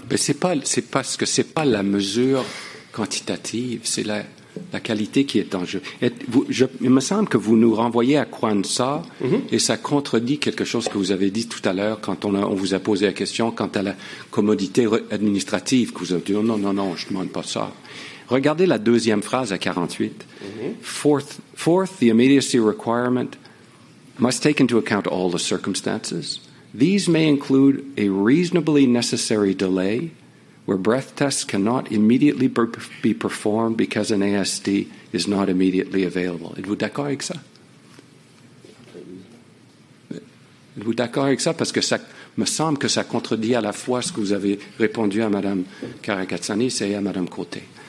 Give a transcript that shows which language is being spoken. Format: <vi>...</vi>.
<fr>Mais c'est pas la mesure quantitative, c'est la qualité qui est en jeu. Il me semble que vous nous renvoyez à Kwanza, et ça contredit quelque chose que vous avez dit tout à l'heure quand on vous a posé la question quant à la commodité administrative, que vous avez dit, non, je ne demande pas ça. Regardez la deuxième phrase à 48.</fr> <en>Fourth, the immediacy requirement must take into account all the circumstances. These may include a reasonably necessary delay where breath tests cannot immediately be performed because an ASD is not immediately available.</en> <fr>Êtes-vous d'accord avec ça? Êtes-vous d'accord avec ça? Parce que ça me semble que ça contredit à la fois ce que vous avez répondu à Mme Karakatsanis et à Mme Côté.</fr>